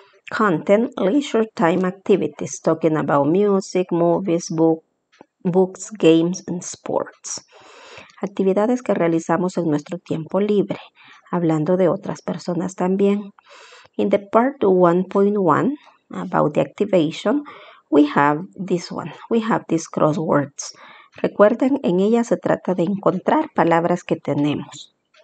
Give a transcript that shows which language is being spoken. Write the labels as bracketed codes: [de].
[en] Content, leisure time activities, talking about music, movies, books, games, and sports. [es] Actividades que realizamos en nuestro tiempo libre, hablando de otras personas también. [en] In the part 1.1 about the activation, we have this one. We have these crosswords. [es] Recuerden, en ella se trata de encontrar palabras que tenemos.